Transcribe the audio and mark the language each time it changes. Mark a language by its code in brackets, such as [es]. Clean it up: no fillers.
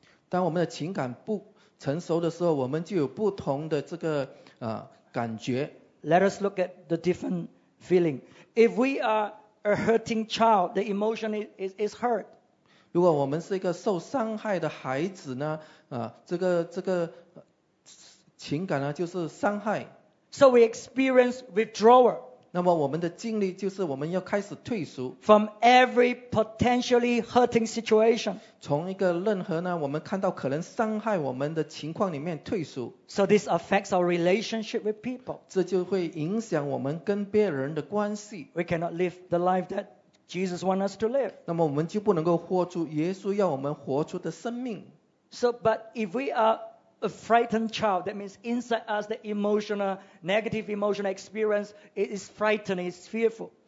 [zh] 当我们的情感不成熟的时候，我们就有不同的这个感觉。 [en] Let us look at the different feeling. If we are a hurting child, the emotion is hurt. [zh] 如果我们是一个受伤害的孩子呢，这个情感呢就是伤害。 [en] So we experience withdrawal. [zh] 那么我们的经历就是我们要开始退缩。 [en] From every potentially hurting situation. [zh] 从一个任何呢，我们看到可能伤害我们的情况里面退缩。 [en] So this affects our relationship with people. [zh] 这就会影响我们跟别人的关系。 [en] We cannot live the life that Jesus wants us to live. [zh] 那么我们就不能够活出耶稣要我们活出的生命。 [en] So, but if we are a frightened child, that means inside us the emotional, negative emotional experience is frightened, is fearful.